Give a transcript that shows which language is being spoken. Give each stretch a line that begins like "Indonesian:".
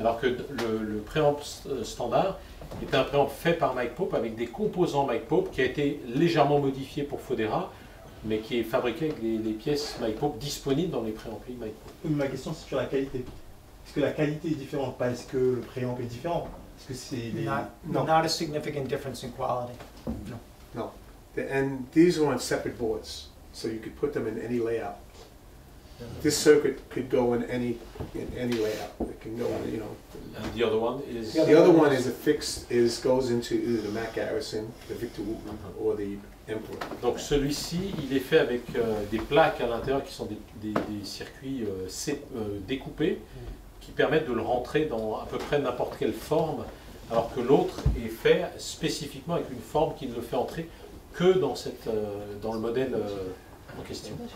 French: Alors que le préamp standard est un préamp fait par Mike Pope avec des composants Mike Pope qui a été légèrement modifié pour Fodera, mais qui est fabriqué avec des pièces Mike Pope disponibles dans les préamplis Mike Pope. Ma question, c'est sur la qualité. Est-ce que la qualité est différente? Pas est-ce que le préamp est différent? Est-ce que c'est...
English: Not a significant difference in quality. No. No. And these are on separate boards, so you could put them in any layout. This circuit could go in any layout. It can go, you know. And the other one is? The other one is a fixed, goes into either the Mac Garrison, the Victor Wooten, or the Emperor.
French: Donc celui-ci, il est fait avec des plaques à l'intérieur qui sont des circuits découpés, qui permettent de le rentrer dans à peu près n'importe quelle forme, alors que l'autre est fait spécifiquement avec une forme qui ne le fait entrer que dans cette dans le modèle en question.